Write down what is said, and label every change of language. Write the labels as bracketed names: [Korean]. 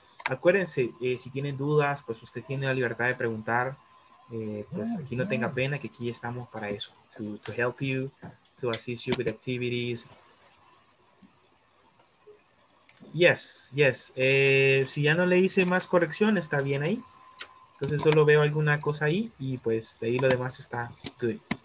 [Spanish] Acuérdense, si tienen dudas, pues usted tiene la libertad de preguntar. Pues aquí no tenga pena, que aquí estamos para eso. [English] To help you, to assist you with activities. Yes, yes. [Spanish] Si ya no le hice más corrección, está bien ahí. Entonces solo veo alguna cosa ahí y pues de ahí lo demás está good.